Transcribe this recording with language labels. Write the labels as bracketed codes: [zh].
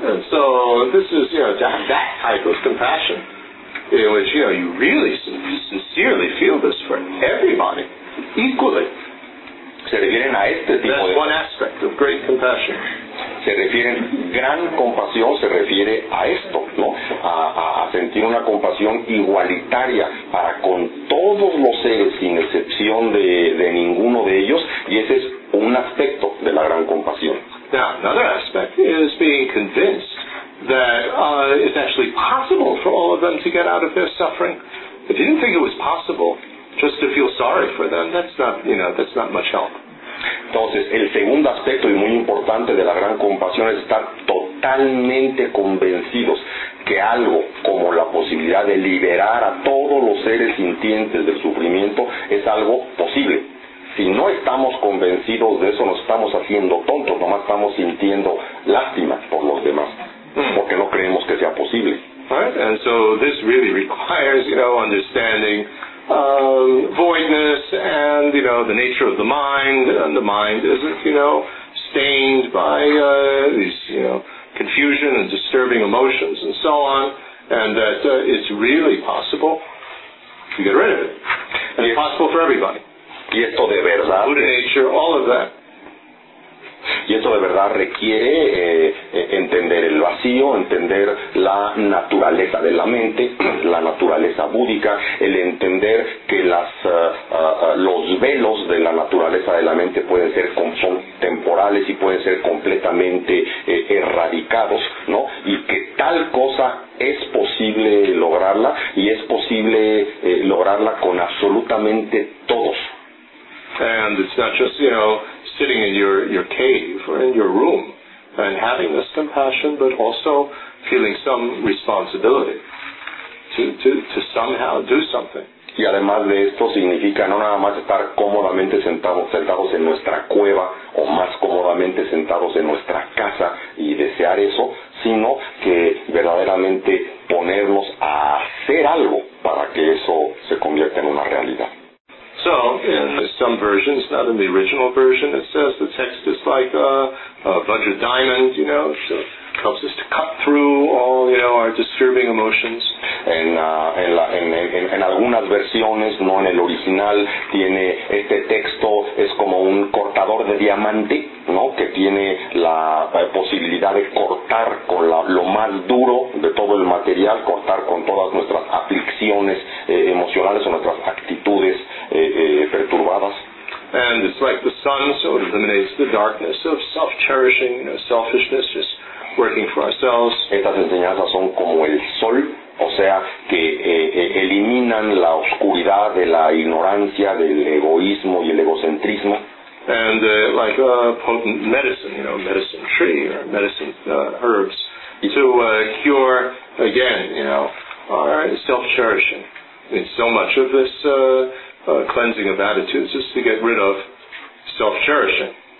[en] So this is, you know, that type of compassion in which, you know, you really sincerely feel this for everybody equally. [es] Se refieren a este tipo. [en] That's [es] de [en] one aspect of great compassion. [es] Se refieren, gran compasión se refiere a esto, ¿no? A sentir una compasión igualitaria para con todos los seres, sin excepción de ninguno de ellos, y ese es un aspecto de la gran compasión. [en] Now, another aspect is being convinced that it's actually possible for all of them to get out of their suffering. If you didn't think it was possible just to feel sorry for them, that's not, you know, that's not much help. [es] Entonces, el segundo aspecto y muy importante de la gran compasión es estar totalmente convencidos que algo como la posibilidad de liberar a todos los seres sintientes del sufrimiento es algo posible. Si no estamos convencidos de eso, nos estamos haciendo tontos, nomás estamos sintiendo lástima por los demás, porque no creemos que sea posible. [en] Right? And so this really requires, you know, understanding voidness and, you know, the nature of the mind, and the mind isn't, you know, stained by these, you know, confusion and disturbing emotions and so on, and that it's really possible to get rid of it. And it's possible for everybody. [es] Y esto de verdad, [en] Buddha nature, all of that. [es] Y esto de verdad requiere entender el vacío, entender la naturaleza de la mente, la naturaleza búdica, el entender que los velos de la naturaleza de la mente pueden ser son temporales y pueden ser completamente erradicados, ¿no? Y que tal cosa es posible lograrla, y es posible lograrla con absolutamente todos. [en] And it's not just, you know, sitting in your cave or in your room and having this compassion, but also feeling some responsibility to somehow do something. [es] Y además de esto, significa no nada más estar cómodamente sentados en nuestra cueva o más cómodamente sentados en nuestra casa y desear eso, sino que verdaderamente ponernos a hacer algo para que eso se convierta en una realidad. [en] So, in some versions, not in the original version, it says the text is like a Vajra diamond, you know, so it helps us to cut through all, you know, our disturbing emotions. [es] En algunas versiones, no en el original, tiene este texto, es como un cortador de diamante, ¿no? Que tiene la posibilidad de cortar con lo más duro de todo el material, cortar con todas nuestras aflicciones emocionales o nuestras actitudes perturbadas. [en] And it's like the sun, so it eliminates the darkness of self-cherishing, you know, selfishness, just working for ourselves. [es] Estas enseñanzas son como el sol, o sea, que eliminan la oscuridad de la ignorancia, del egoísmo y el egocentrismo. [en] And like a potent medicine, you know, medicine tree or medicine herbs, to cure, again, you know, our self-cherishing. I mean, so much of this cleansing of attitudes is to get rid of self-cherishing.